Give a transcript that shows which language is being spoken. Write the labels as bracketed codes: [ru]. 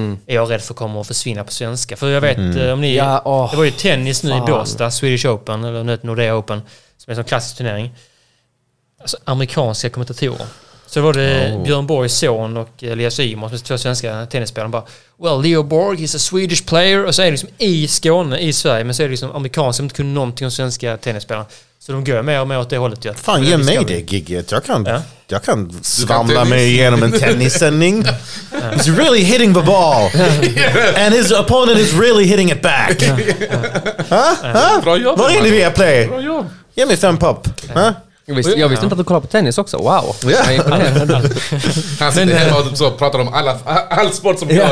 [sv] Är jag rädd för att komma och försvinna på svenska? För jag vet, om ni, det var ju tennis nu i Båstad, Swedish Open eller Nordea Open, som är en klassisk turnering, alltså amerikanska kommentatorer, så var det Björn Borgs son och Elias Ymer som är två svenska tennisspelare, bara, [en] well, Leo Borg is a Swedish player, [sv] och så är det liksom i Skåne, i Sverige, men så är det liksom amerikanska som inte kunde någonting om svenska tennisspelare. Så de går med och med åt det hållet. Fan, ge mig det gigget. Jag kan svamla mig igenom en tennissändning. [en] He's really hitting the ball. And his opponent is really hitting it back. [sv] Vad är det vi har play? Ge mig 5 pop. Jag visste inte att du kollade på tennis också. Wow. Ja. Han sitter hemma och så pratar om all sport som gör.